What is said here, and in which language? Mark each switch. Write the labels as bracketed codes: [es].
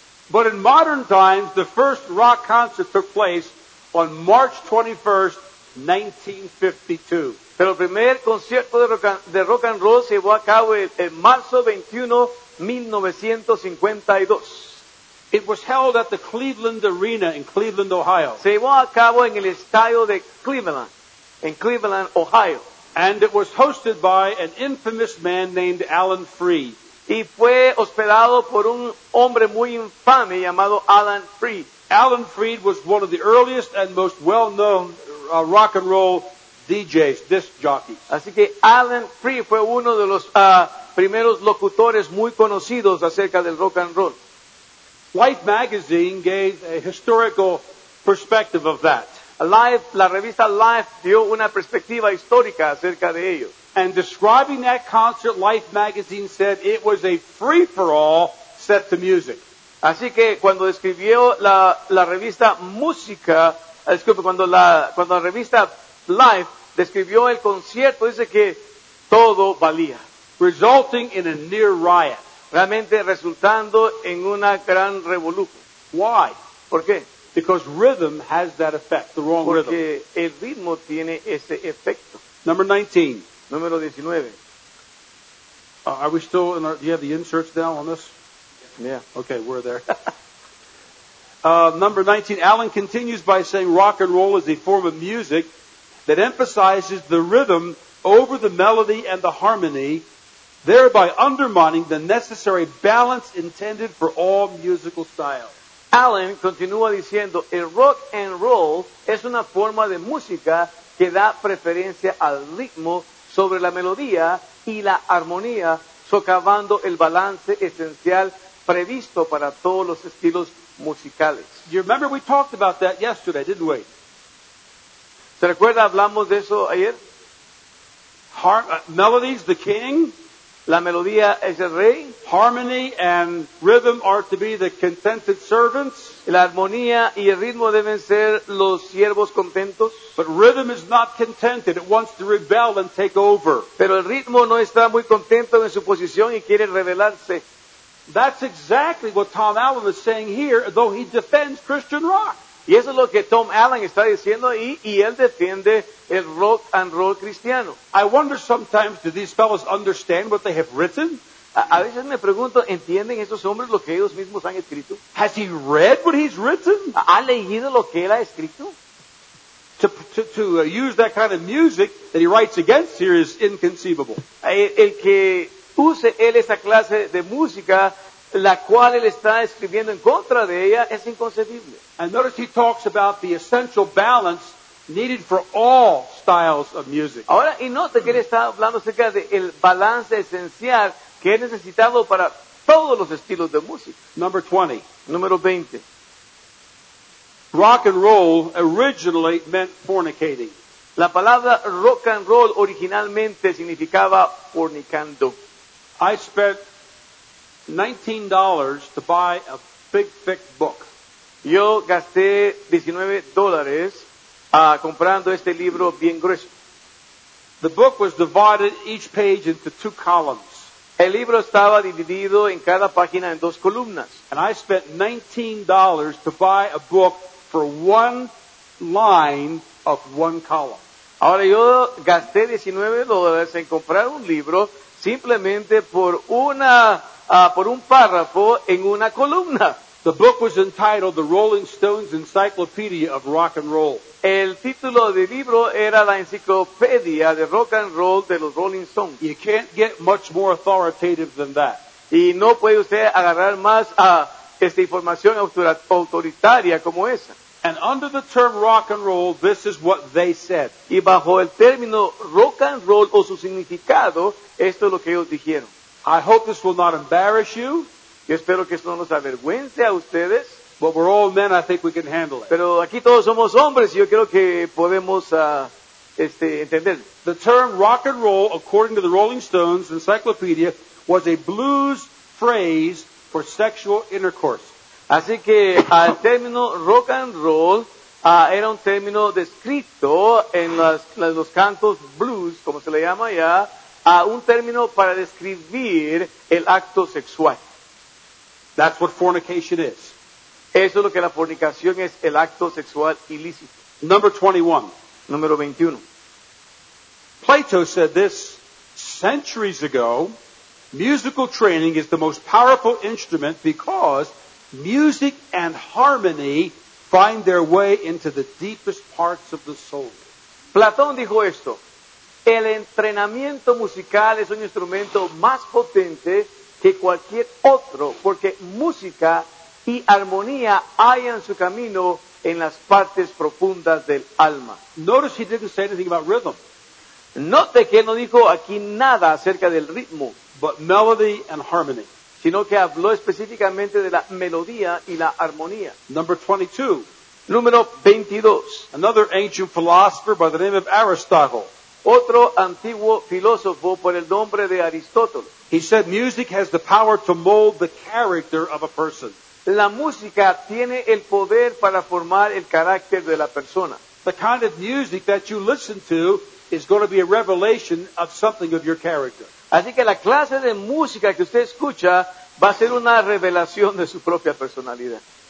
[en] But in modern times, the first rock concert took place on March 21st, 1952. [es] Pero el primer concierto de rock and roll se llevó a cabo en marzo 21, 1952. [en] It was held at the Cleveland Arena in Cleveland, Ohio. [es] Se llevó a cabo en el estadio de Cleveland, en Cleveland, Ohio. [en] And it was hosted by an infamous man named Alan Freed. [es] Y fue hospedado por un hombre muy infame llamado Alan Freed. [en] Alan Freed was one of the earliest and most well-known rock and roll DJs, disc jockeys. [es] Así que Alan Freed fue uno de los primeros locutores muy conocidos acerca del rock and roll. [en] Life magazine gave a historical perspective of that. [es] La revista Life dio una perspectiva histórica acerca de ello. [en] And describing that concert, Life magazine said it was a free-for-all set to music. [es] Así que cuando describió la revista Música, disculpe, cuando la revista Life describió el concierto, dice que todo valía. [en] Resulting in a near riot. [es] Realmente resultando en una gran revolución. [en] Why? [es] ¿Por qué? [en] Because rhythm has that effect, the wrong [es] Porque [en] rhythm. [es] Porque el ritmo tiene ese efecto. [en] Number 19. [es] Número 19. [en] Are we still in our, do you have the inserts now on this? Yeah. Okay, we're there. number 19. Alan continues by saying rock and roll is a form of music that emphasizes the rhythm over the melody and the harmony, thereby undermining the necessary balance intended for all musical styles. [es] Alan continúa diciendo, el rock and roll es una forma de música que da preferencia al ritmo sobre la melodía y la armonía, socavando el balance esencial previsto para todos los estilos musicales. [en] You remember we talked about that yesterday, didn't we? [es] ¿Se recuerda hablamos de eso ayer? [en] Melodies, the king. [es] La melodía es el rey. [en] Harmony and rhythm are to be the contented servants. [es] La armonía y el ritmo deben ser los siervos contentos. [en] But rhythm is not contented. It wants to rebel and take over. [es] Pero el ritmo no está muy contento en su posición y quiere rebelarse. [en] That's exactly what Tom Allen is saying here, though he defends Christian rock. [es] Y eso es lo que Tom Allen está diciendo ahí, y él defiende el rock and roll cristiano. [en] I wonder sometimes, do these fellows understand what they have written? [es] A veces me pregunto, ¿entienden estos hombres lo que ellos mismos han escrito? [en] Has he read what he's written? [es] ¿Ha leído lo que él ha escrito? [en] To use that kind of music that he writes against here is inconceivable. [es] El que use él esa clase de música, la cual él está escribiendo en contra de ella, es inconcebible. [en] And notice he talks about the essential balance needed for all styles of music. [es] Ahora, y note que él está hablando acerca de el balance esencial que es necesitado para todos los estilos de música. [en] Number 20. [es] Número 20. [en] Rock and roll originally meant fornicating. [es] La palabra rock and roll originalmente significaba fornicando. [en] I spent $19 to buy a big, thick book. [es] Yo gasté $19 comprando este libro bien grueso. [en] The book was divided each page into two columns. [es] El libro estaba dividido en cada página en dos columnas. [en] And I spent $19 to buy a book for one line of one column. [es] Ahora yo gasté $19 en comprar un libro simplemente por un párrafo en una columna. [en] The book was entitled The Rolling Stones Encyclopedia of Rock and Roll. [es] El título del libro era la enciclopedia de rock and roll de los Rolling Stones. [en] You can't get much more authoritative than that. [es] Y no puede usted agarrar más esta información autoritaria como esa. [en] And under the term rock and roll, this is what they said. [es] Y bajo el término rock and roll o su significado, esto es lo que ellos dijeron. [en] I hope this will not embarrass you. [es] Yo espero que esto no nos avergüence a ustedes. [en] But we're all men, I think we can handle it. [es] Pero aquí todos somos hombres y yo creo que podemos entenderlo. [en] The term rock and roll, according to the Rolling Stones Encyclopedia, was a blues phrase for sexual intercourse. [es] Así que el término rock and roll era un término descrito en los cantos blues, como se le llama allá, un término para describir el acto sexual. [en] That's what fornication is. [es] Eso es lo que la fornicación es, el acto sexual ilícito. [en] Number 21. [es] Número 21. [en] Plato said this centuries ago, musical training is the most powerful instrument because music and harmony find their way into the deepest parts of the soul. [es] Platón dijo esto. El entrenamiento musical es un instrumento más potente que cualquier otro, porque música y armonía hallan su camino en las partes profundas del alma. [en] Notice he didn't say anything about rhythm. [es] Note que no dijo aquí nada acerca del ritmo, [en] but melody and harmony, [es] sino que habló específicamente de la melodía y la armonía. [en] Number 22. [es] Número 22. [en] Another ancient philosopher by the name of Aristotle. [es] Otro antiguo filósofo por el nombre de Aristóteles. [en] He said music has the power to mold the character of a person. [es] La música tiene el poder para formar el carácter de la persona. [en] The kind of music that you listen to is going to be a revelation of something of your character. [es] Así que la clase de música que usted escucha va a ser una revelación de su propia personalidad.